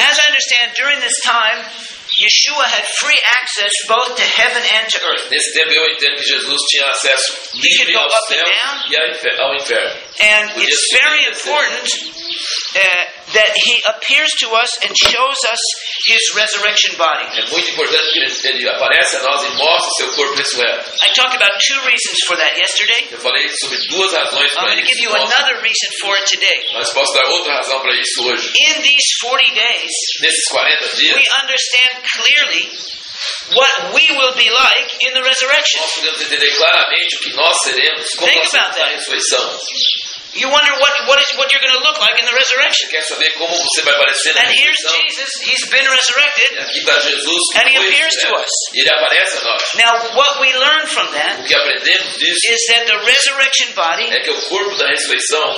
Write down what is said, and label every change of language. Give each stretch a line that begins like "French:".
English: As I understand, during this time, Yeshua had free access both to heaven and to earth.
Portuguese: Nesse tempo eu entendo que Jesus tinha acesso livre ao céu e ao inferno.
English: And it's very important that he appears to us and shows us his resurrection body.
Portuguese: É muito importante que ele aparece a nós e mostre seu corpo ressurreto.
English: I talked about two reasons for that yesterday.
Portuguese: Eu falei sobre duas razões para isso.
English: I'm going to give you another reason for it today.
Portuguese: Mas posso dar outra razão para isso hoje.
English: In these 40 days,
Portuguese: nesses 40 dias,
English: we understand clearly what we will be like in the resurrection.
Portuguese: Nós podemos entender claramente o que nós seremos como
English: Think
Portuguese: nós seremos na ressurreição.
English: You wonder what you're going to look like in the resurrection.
Portuguese: Quer saber como você vai aparecer na
English: and here's Jesus, he's been resurrected.
Portuguese: Aqui tá Jesus,
English: and he appears to us.
Portuguese: Ele aparece a nós.
English: Now, what we learn from that
Portuguese: o que aprendemos disso
English: is that the resurrection body
Portuguese: é que o corpo da ressurreição